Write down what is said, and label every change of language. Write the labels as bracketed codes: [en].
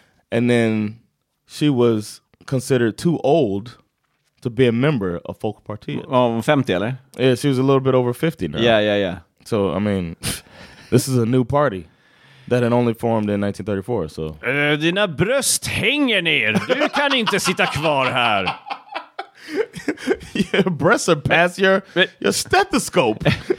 [en] And then she was considered too old to be a member of Folkpartiet. Oh, 50, eller? Yeah, she was a little bit over 50 now. Yeah. So, I mean, this is a new party that had only formed in 1934, so. [sv] Dina bröst hänger ner. Du kan inte sitta kvar här. [en] Your breasts are past your stethoscope.